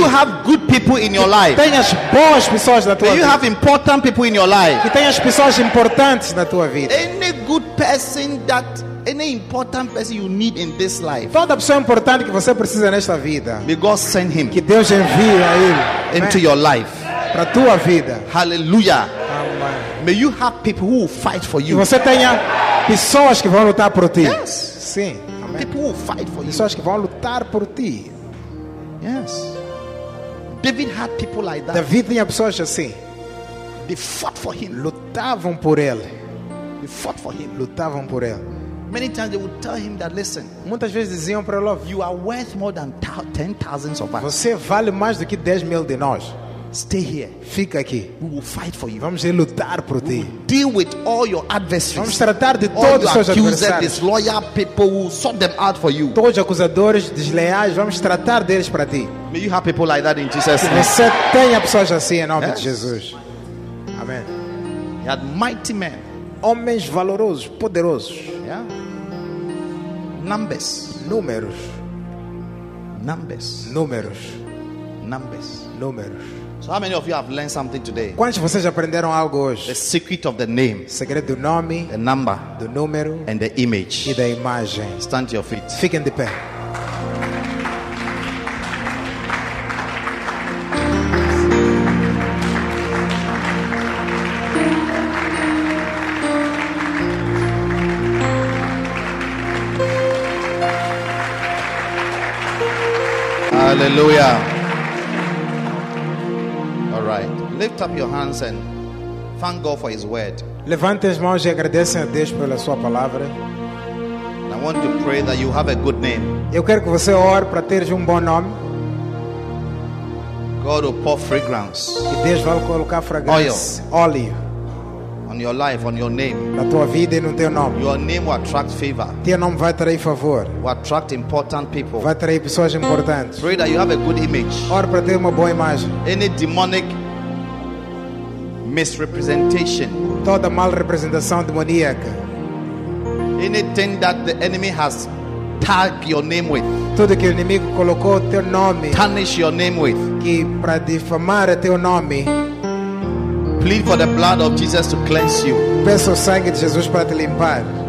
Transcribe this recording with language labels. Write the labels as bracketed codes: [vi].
[en] May you have good people in your life. [pt] Tenhas boas pessoas na tua vida. [en] You have important people in your life. [pt] Que tenhas pessoas importantes na tua vida. [en] Any good person that any important person you need in this life. [pt] Toda pessoa importante que você precisa nesta vida. [en] May God send him. [pt] Que Deus envie a ele. [en] Into your life. [pt] Para tua vida. [en] Hallelujah. Amen. May you have people who will fight for you. [pt] Que você tenha pessoas que vão lutar por ti. [en] Yes. [pt] Sim. [en] Amen. People who will fight for [pt] pessoas Pessoas que vão lutar por ti. [en] Yes. David had people like that. [pt] David tinha pessoas assim. [en] They fought for him. [pt] Lutavam por ele. [en] They fought for him. [pt] Lutavam por ele. [en] Many times they would tell him that, listen. [pt] Muitas vezes diziam para ele, [en] you are worth more than 10,000 of us. [pt] Você vale mais do que 10 mil de nós. [en] Stay here. [pt] Fica aqui. [en] We will fight for you. [pt] Vamos lutar por ti. [en] Deal with all your adversaries. [pt] Vamos tratar de todos os seus adversários. [en] All the accusers, loyal people, will sort them out for you. [pt] Todos os acusadores desleais, vamos tratar deles para ti. [en] May you have people like that in Jesus' name. [pt] Que você tenha pessoas assim em nome de Jesus. Amém. [en] He had mighty men. [pt] Homens valorosos, poderosos. [en] Yeah. Numbers. [pt] Números. [en] Numbers. [pt] Números. [en] Numbers. [pt] Números. [en] So how many of you have learned something today? [pt] Quantos de vocês aprenderam algo hoje? [en] The secret of the name. [pt] Segredo do nome. [en] The number. [pt] Do número. [en] And the image. [pt] E da imagem. [en] Stand to your feet. [pt] Fiquem de pé. [en] Hallelujah. Lift up your hands and thank God for His word. [pt] Levante as mãos e agradeça a Deus pela sua palavra. [en] I want to pray that you have a good name. [pt] Eu quero que você ore para teres bom nome. [en] God will pour fragrance. [pt] E Deus vai colocar óleo. [en] On your life, on your name. [pt] Na tua vida e no teu nome. [en] Your name will attract favor. [pt] Teu nome vai atrair favor. [en] Will attract important people. [pt] Vai atrair pessoas importantes. [en] Pray that you have a good image. [pt] Ora para ter uma boa imagem. [en] Any demonic misrepresentation. [pt] Toda mal representação demoníaca. [en] Anything that the enemy has tagged your name with. [pt] Tudo que o inimigo colocou teu nome. [en] Tarnish your name with. [pt] Que para difamar teu nome. [en] Plead for the blood of Jesus to cleanse you. [pt] Peça o sangue de Jesus para te limpar.